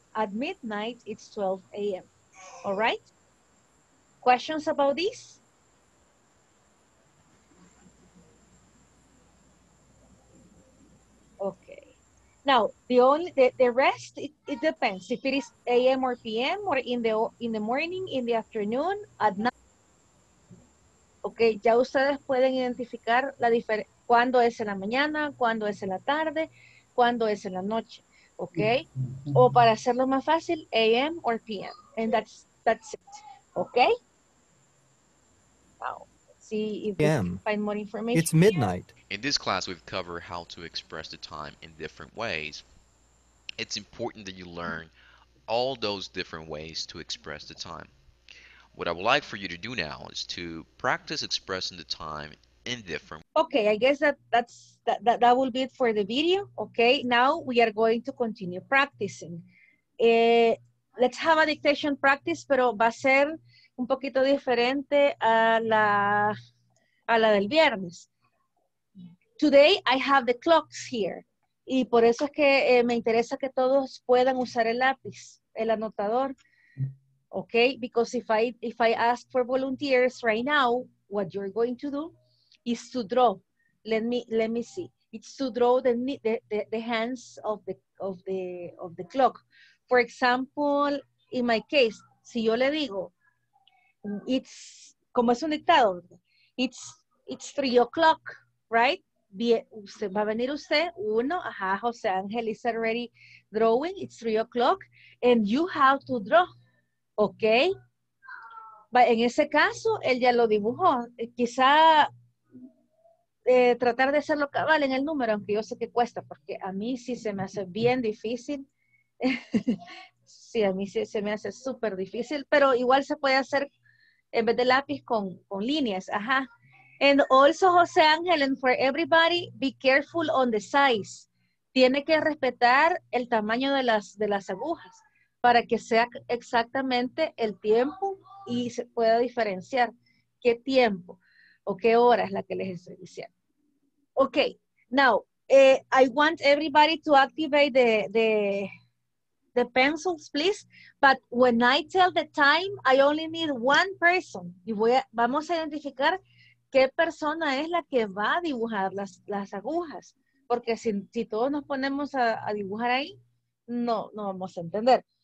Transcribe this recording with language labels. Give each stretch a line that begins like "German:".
English: At midnight, it's 12 a.m. All right? Questions about this? Now, the rest, it depends if it is a.m. or p.m. or in the morning, in the afternoon, at night.
Spanish: Okay, ya ustedes pueden identificar la diferencia, cuándo es en la mañana, cuándo es en la tarde, cu- cuando es en la noche, okay? O para hacerlo más fácil,
English: AM or PM, and that's it,
Spanish: okay? Wow.
English: Find more information. It's midnight. In this class, we've covered how to express the time in different ways. It's important that you learn all those different ways to express the time. What I would like for you to do now is to practice expressing the time in different ways. Okay, I guess that will be it for the video. Okay, now we are going to continue practicing. Let's have a dictation practice,
Spanish: pero va a ser un poquito diferente a la del viernes.
English: Today I have the clocks here.
Spanish: Y por eso es que me interesa que todos puedan usar el lápiz, el anotador.
English: Okay, because if I ask for volunteers right now, what you're going to do is to draw. Let me see. It's to draw the hands of the clock. For example, in my case,
Spanish: si yo le digo,
English: it's,
Spanish: como es un dictado,
English: it's 3 o'clock, right?
Spanish: Bien, usted, va a venir usted, uno, ajá,
English: José Ángel is already drawing, it's 3 o'clock, and you have to draw, okay?
Spanish: But en ese caso, él ya lo dibujó, quizá tratar de hacerlo cabal en el número, aunque yo sé que cuesta, porque a mí sí se me hace bien difícil. Sí, a mí sí se me hace súper difícil, pero igual se puede hacer en vez de lápiz con líneas, ajá.
English: And also, José Ángel, and for everybody, be careful on the size.
Spanish: Tiene que respetar el tamaño de las agujas para que sea exactamente el tiempo y se pueda diferenciar qué tiempo o qué hora es la que les estoy diciendo.
English: Okay, now, I want everybody to activate the pencils, please. But when I tell the time, I only need one person.
Spanish: Y vamos a identificar qué persona es la que va a dibujar las agujas. Porque si todos nos ponemos a dibujar ahí, no vamos a entender.